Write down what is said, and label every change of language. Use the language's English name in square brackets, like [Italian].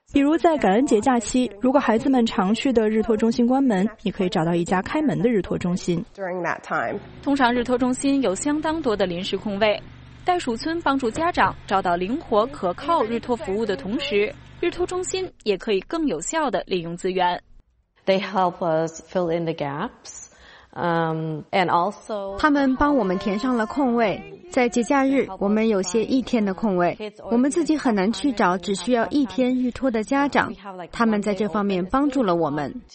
[Chinese] 比如在感恩节假期，如果孩子们常去的日托中心关门，你可以找到一家开门的日托中心。通常日托中心有相当多的临时空位，袋鼠村帮助家长找到灵活可靠日托服务的同时，日托中心也可以更有效地利用资源。 [English] They help us fill in the gaps. And also, [Chinese] 他们帮我们填上了空位。在节假日，我们有些一天的空位，我们自己很难去找只需要一天日托的家长，他们在这方面帮助了我们。